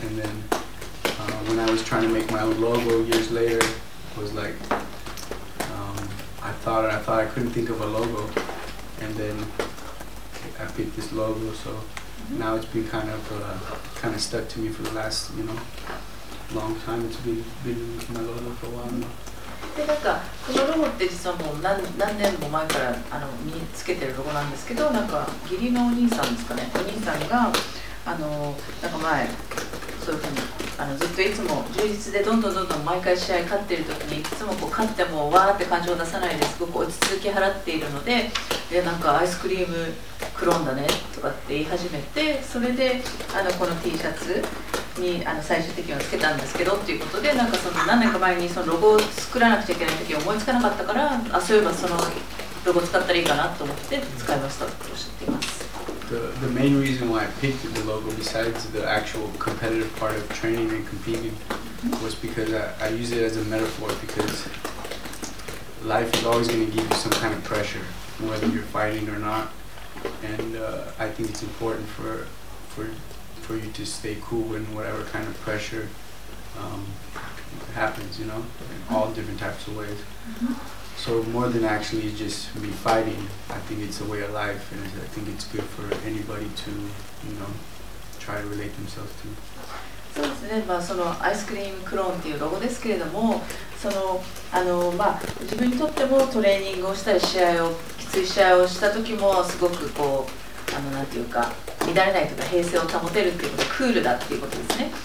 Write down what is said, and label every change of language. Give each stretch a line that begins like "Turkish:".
English: And then when I was trying to make my own logo years later, I was like, I thought I couldn't think of a logo. And then I picked this logo, so now it's been kind of stuck to me for the last, you know, long time. It's been my logo for a while now.
Japanese: でなんかこのロゴって実はもう 何年も前からあの身につけてるロゴなんですけど、なんか義理のお兄さんですかね、お兄さんがあのなんか前そういうふうにあのずっといつも充実でどんどん毎回試合勝ってる時にいつもこう勝ってもわーって感情を出さないですごく落ち着き払っているので、いやなんかアイスクリームクローンだねとかって言い始めて、それであのこの T シャツにあの最終的にはつけたんですけどっていうことで、なんかその何年か前にそのロゴを作らなくちゃいけない時思いつかなかったから、あそういえばそのロゴ使ったらいいかなと思って使いましたとおっしゃっています。
English: The main reason why I picked the logo besides the actual competitive part of training and competing was because I use it as a metaphor, because life is always going to give you some kind of pressure whether you're fighting or not, and I think it's important for you to stay cool in whatever kind of pressure happens, you know, in all different types of ways. So more than actually just me fighting, I think it's a way of life, and I think it's good for anybody to, you know, try to relate themselves to.
Japanese: そうですね、まあ、そのアイスクリームクローンっていうロゴですけれども、そのあの、まあ、自分にとってもトレーニングをしたり試合をきつい試合をした時もすごくこうあのなんていうか乱れないとか平静を保てるっていうこと、クールだっていうことですね。